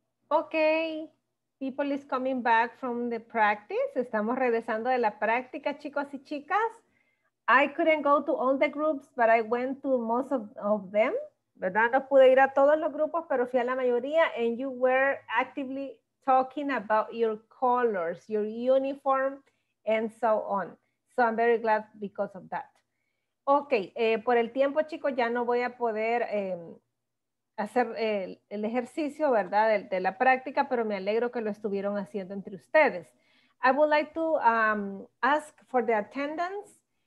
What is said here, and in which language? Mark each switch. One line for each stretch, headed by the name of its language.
English: Okay, people is coming back from the practice.
Spanish: Estamos regresando de la práctica, chicos y chicas.
English: I couldn't go to all the groups, but I went to most of them.
Spanish: ¿Verdad? No pude ir a todos los grupos, pero fui a la mayoría.
English: And you were actively talking about your colors, your uniform, and so on. So I'm very glad because of that.
Spanish: Okay, por el tiempo, chicos, ya no voy a poder... hacer el ejercicio, ¿verdad? De la práctica, pero me alegro que lo estuvieron haciendo entre ustedes.
English: I would like to ask for the attendance.